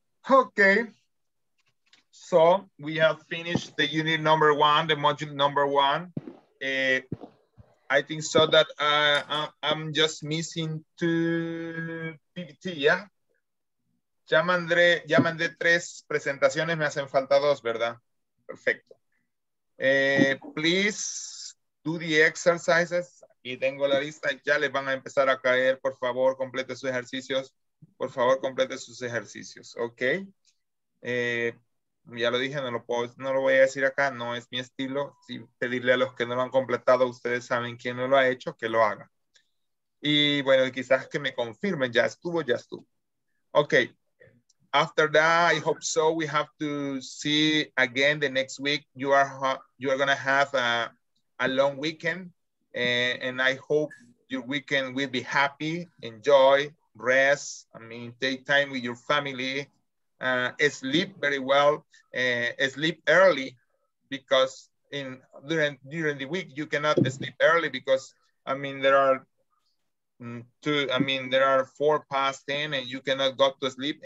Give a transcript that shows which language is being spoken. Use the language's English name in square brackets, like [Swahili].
[English] Okay, so we have finished the unit number one, the module number one. I think so that I'm just missing two PPT, yeah? [Spanish] Ya mandé tres presentaciones, me hacen falta dos, ¿verdad? [English] Perfecto. Please do the exercises. [Spanish] Aquí tengo la lista, ya les van a empezar a caer. Por favor, complete sus ejercicios. Por favor, complete sus ejercicios, ¿ok? Ya lo dije, no lo voy a decir acá, no es mi estilo. Sí, pedirle a los que no lo han completado, ustedes saben quién no lo ha hecho, que lo haga. Y bueno, quizás que me confirmen, ya estuvo. [English] Ok, after that, I hope so, we have to see again the next week. You are going to have a long weekend, and I hope your weekend will be happy, enjoy, rest, I mean, take time with your family, sleep very well, sleep early, because during the week you cannot sleep early, because I mean there are 4 past 10 and you cannot go to sleep.